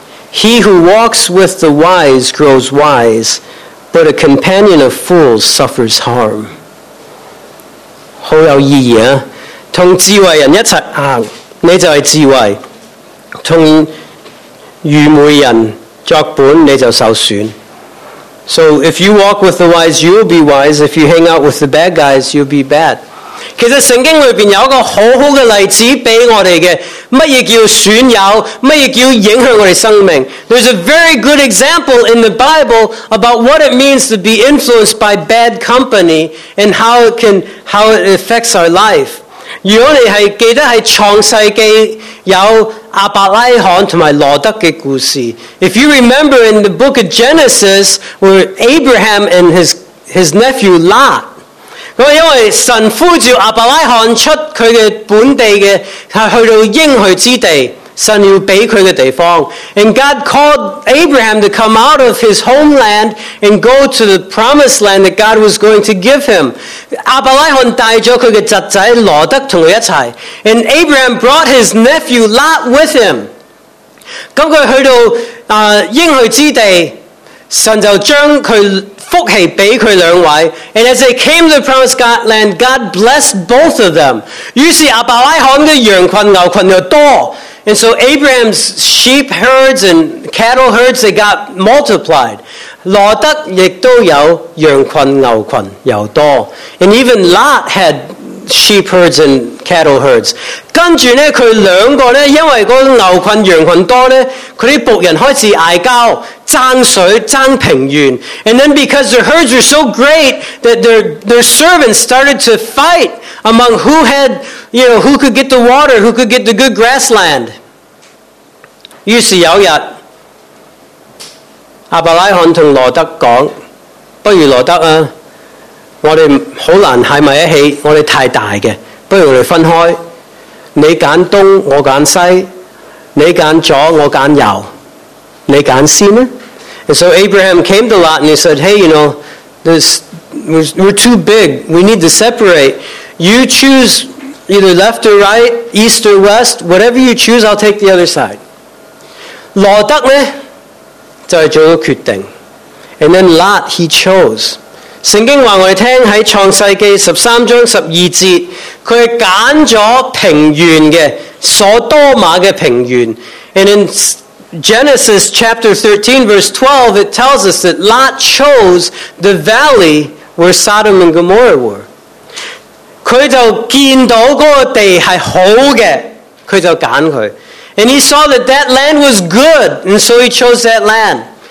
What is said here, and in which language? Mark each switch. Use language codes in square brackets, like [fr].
[en] He who walks with the wise grows wise, but a companion of fools suffers harm. [yue] 好有意义啊！同智慧人一齐行。你就是智慧，同愚昧人作伴，你就受损。 [en] So if you walk with the wise, you'll be wise. If you hang out with the bad guys, you'll be bad. [yue] 其实圣经里面有一个好好的例子给我们的，什么叫损友，什么叫影响我们生命。 [en] There's a very good example in the Bible about what it means to be influenced by bad company and how it affects our life. [yue] 如果你是记得是创世纪有亚伯拉罕和罗德的故事。 [en] If you remember in the book of Genesis, where Abraham and his nephew Lot, [yue] 因为神呼召亚伯拉罕出他的本地的去到应许之地，神要给他的地方。 [en] And God called Abraham to come out of his homeland and go to the promised land that God was going to give him. [yue] 亚伯拉罕带了他的侄子罗德同他一起。 [en] And Abraham brought his nephew Lot with him. [yue] 他去到应许之地，神就将他福气给他两位。 [en] And as they came to the promised land, God blessed both of them. [yue] 于是亚伯拉罕的羊群牛群又多。 [en] And so Abraham's sheep herds and cattle herds, they got multiplied. [yue] 罗德亦都有羊群牛群又多。 [en] And even Lot had sheep herds and cattle herds. [yue] 跟住呢，佢两个呢，因为嗰个牛群羊群多呢，佢啲仆人开始嗌交，争水争平原。 [en] And then because their herds were so great that their servants started to fight among who had, you know, who could get the water, who could get the good grassland. [yue] 于是有日，亚伯拉罕同罗德讲：不如罗德啊，我哋好难喺埋一起，我哋太大嘅，不如我哋分开。你拣东，我拣西；你拣左，我拣右。你拣先啦。 [en] And so Abraham came to Lot and he said, "Hey, you know, this we're too big. We need to separate. You choose either left or right, east or west. Whatever you choose, I'll take the other side." [yue] 罗德呢就系做咗决定。 [en] And then Lot he chose. [yue] 圣经话我哋听喺创世纪十三章十二节，佢拣咗平原嘅所多玛嘅平原。 [en] And in Genesis chapter 13 verse 12, it tells us that Lot chose the valley where Sodom and Gomorrah were. [yue] 佢就见到嗰个地系好嘅，佢就拣佢。 [en] And he saw that that land was good, and so he chose that land.